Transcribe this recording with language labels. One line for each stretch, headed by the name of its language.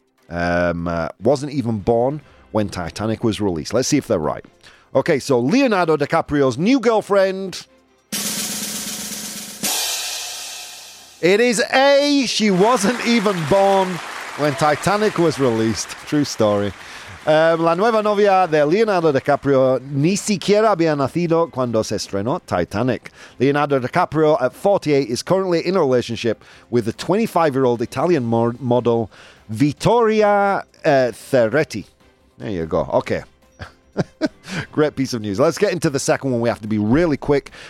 English: Wasn't even born when Titanic was released. Let's see if they're right. Okay, so Leonardo DiCaprio's new girlfriend. It is A. She wasn't even born when Titanic was released. True story.
Spanish: La nueva novia de Leonardo DiCaprio ni siquiera había nacido cuando se estrenó Titanic.
English: Leonardo DiCaprio, at 48, is currently in a relationship with the 25-year-old Italian model Vittoria Ferretti. There you go. Okay. Great piece of news. Let's get into the second one. We have to be really quick.